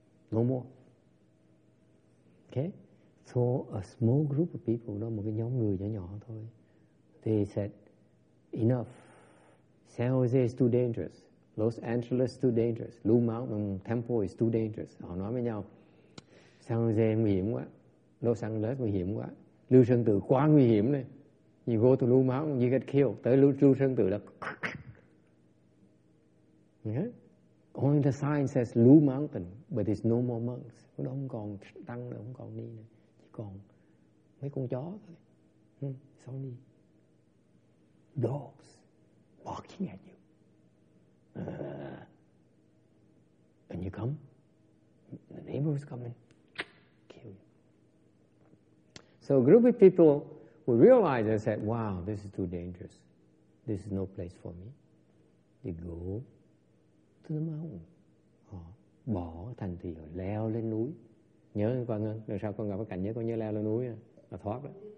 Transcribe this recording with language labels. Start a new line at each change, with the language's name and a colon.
English: No more. Okay? So a small group of people,
Vietnamese: đó, một cái nhóm người nhỏ nhỏ thôi,
English: they said, enough. San Jose is too dangerous. Los Angeles is too dangerous. Lu Mountain Temple is too dangerous.
Vietnamese: Họ nói với nhau, San Jose nguy hiểm quá. Los Angeles nguy hiểm quá. Lưu Sơn Tự quá nguy hiểm này.
English: You go to Lu Mountain, you get killed.
Vietnamese: Tới Lưu Sơn Tự là...
English: Yeah? Only the sign says Lu Mountain, but there's no more monks.
Vietnamese: Nó không còn tăng nữa, không còn ni nữa. Chỉ còn mấy con chó thôi. Sao ni?
English: Dogs barking at you. And you come, the neighbor is coming, kill you. So a group of people would realize and said, wow, this is too dangerous. This is no place for me. They go to the mountain.
Vietnamese: Họ bỏ thành thị, họ leo lên núi. Nhớ con ngân, lần sau con gặp cái cảnh nhớ con nhớ leo lên núi, là thoát đó.